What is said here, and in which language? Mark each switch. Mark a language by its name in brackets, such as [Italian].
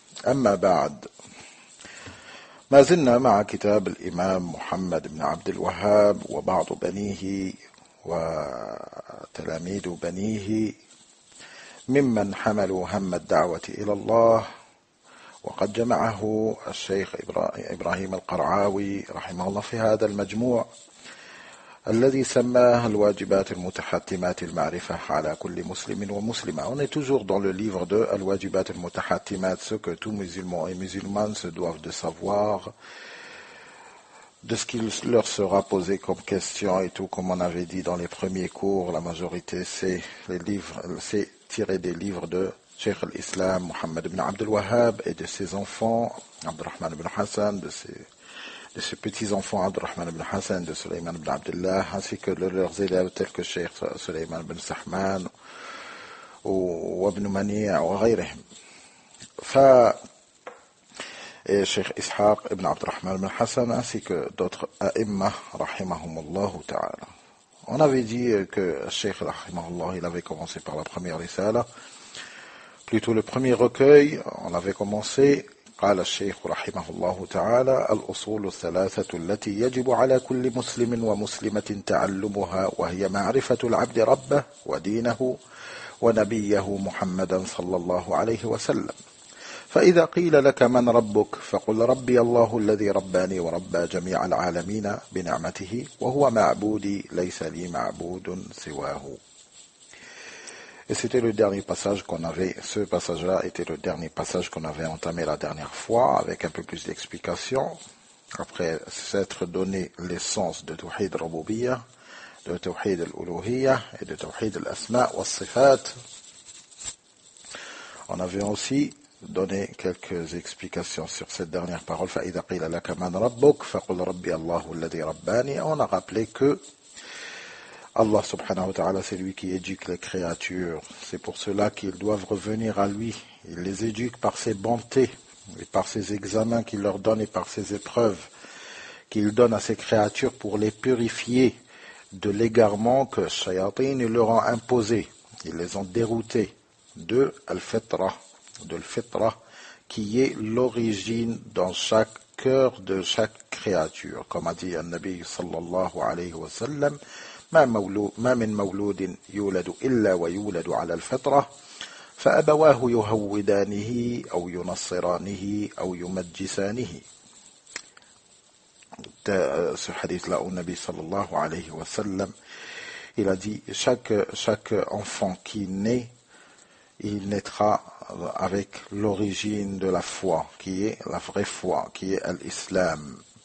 [Arabic] أما بعد، ما زلنا مع كتاب الإمام محمد بن عبد الوهاب وبعض بنيه وتلاميذ بنيه ممن حملوا هم الدعوة إلى الله، وقد جمعه الشيخ إبراهيم القرعاوي رحمه الله في هذا المجموع الذي سماه الواجبات المتحتمات المعرفة على كل مسلم ومسلمة. [French] On est toujours dans le livre de الواجبات المتحتمات, ce que tous musulmans et musulmanes se doivent de savoir, de ce qui leur sera posé comme question et tout, comme on avait dit dans les premiers cours, la majorité c'est tiré des livres de Cheikh al-Islam Muhammad ibn Abd al-Wahhab et de ses enfants, Abdurrahman ibn Hassan, de ses petits-enfants Abdurrahman ibn Hassan, de Sulaiman ibn Abdullah, ainsi que de leurs élèves tels que Cheikh Sulaiman ibn Sahman ou Ibn Mani'a ou ghayrihim. Et Cheikh Ishaq ibn Abdurrahman ibn Hassan, ainsi que d'autres a'immah rahimahumullah ta'ala. On avait dit que Cheikh rahimahullah, il avait commencé par la première risala, plutôt le premier recueil, on l'avait commencé. [Arabic] قال الشيخ رحمه الله تعالى الأصول الثلاثة التي يجب على كل مسلم ومسلمة تعلمها، وهي معرفة العبد ربه ودينه ونبيه محمدا صلى الله عليه وسلم. فإذا قيل لك من ربك فقل ربي الله الذي رباني وربى جميع العالمين بنعمته، وهو معبودي ليس لي معبود سواه. [French] Et c'était le dernier passage qu'on avait, ce passage-là était le dernier passage qu'on avait entamé la dernière fois, avec un peu plus d'explication, après s'être donné l'essence de Tawhid al-Rububiyya, de Tawhid al-Uluhiyya et de Tawhid al-Asma' wa-Sifat. On avait aussi donné quelques explications sur cette dernière parole, « [Arabic] فَإِذَا قِيلَ لَكَ مَنْ رَبُّكَ فَقُلْ رَبِّيَ اللَّهُ الَّذِي رَبَّانِي [French] » On a rappelé que Allah subhanahu wa ta'ala, c'est lui qui éduque les créatures. C'est pour cela qu'ils doivent revenir à lui. Il les éduque par ses bontés, et par ses examens qu'il leur donne et par ses épreuves qu'il donne à ses créatures pour les purifier de l'égarement que Shayatin leur a imposé. Ils les ont déroutés de Al-Fitra, de Al-Fitra qui est l'origine dans chaque cœur de chaque créature. Comme a dit [Arabic] Al-Nabi sallallahu alayhi wa sallam, ما من مولود يولد إلا ويولد على الفطرة فأبواه يهودانه أو ينصرانه أو يمجسانه. [French] Ce hadith là au Nabi sallallahu alayhi wa sallam, il a dit chaque enfant qui naît, il naîtra avec l'origine de la foi, qui est la vraie foi, qui est l'islam.